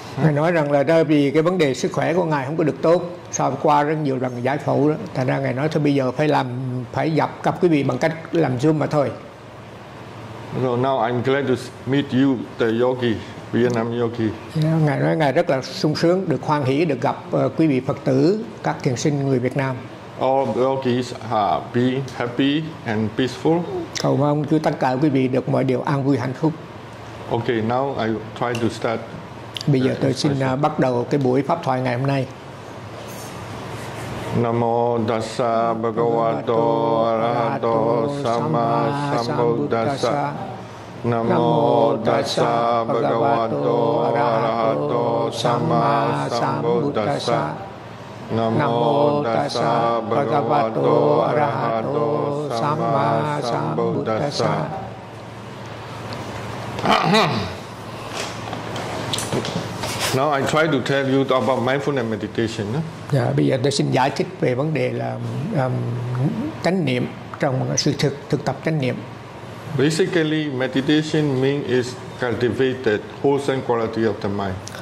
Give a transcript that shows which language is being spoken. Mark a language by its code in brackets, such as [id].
[vi] Ngài nói rằng là đây vì cái vấn đề sức khỏe của ngài không có được tốt, sau qua rất nhiều lần giải phẫu đó, thành ra ngài nói thôi bây giờ phải gặp quý vị bằng cách làm Zoom mà thôi. [en] So now I'm glad to meet you, the yogi, Vietnam yogi. [vi] Yeah, ngài nói ngài rất là sung sướng được hoan hỷ được gặp quý vị Phật tử, các thiền sinh người Việt Nam. [en] All yogis be happy and peaceful. [vi] Cầu mong cho tất cả quý vị được mọi điều an vui hạnh phúc. [en] Okay, now I try to start. [vi] Bây giờ tôi xin bắt đầu cái buổi pháp thoại ngày hôm nay. [pi] Namo dasa bhagavato arahato sammasambuddhassa. Namo dasa bhagavato arahato sammasambuddhassa. Namo dasa bhagavato arahato sammasambuddhassa. [en] Now I try to tell you about mindfulness meditation. [vi] Yeah, bây giờ tôi xin giải thích về vấn đề là chánh niệm trong sự thực tập chánh niệm. [en] Basically, meditation means is cultivated wholesome quality of the mind.